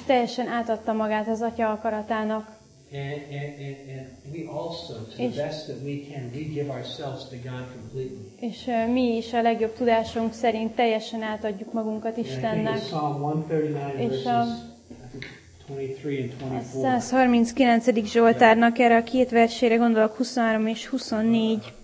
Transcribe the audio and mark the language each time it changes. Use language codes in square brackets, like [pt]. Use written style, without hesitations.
[hu] teljesen átadta magát az Atya akaratának. [en] And we also, to the best that we can, we give ourselves to God completely. [hu] És mi is a legjobb tudásunk szerint teljesen átadjuk magunkat Istennek. [en] And Psalm 139 verses 23 and 24. [hu] A 139. Zsoltárnak erre a két versére gondolok, 23 és 24.